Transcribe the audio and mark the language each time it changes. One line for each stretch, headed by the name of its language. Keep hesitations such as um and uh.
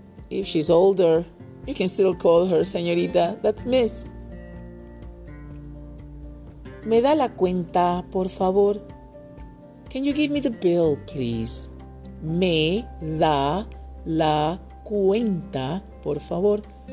English: If she's older, you can still call her señorita. That's miss.
Spanish: Me da la cuenta, por favor.
English: Can you give me the bill, please?
Spanish: Me da la cuenta, por favor.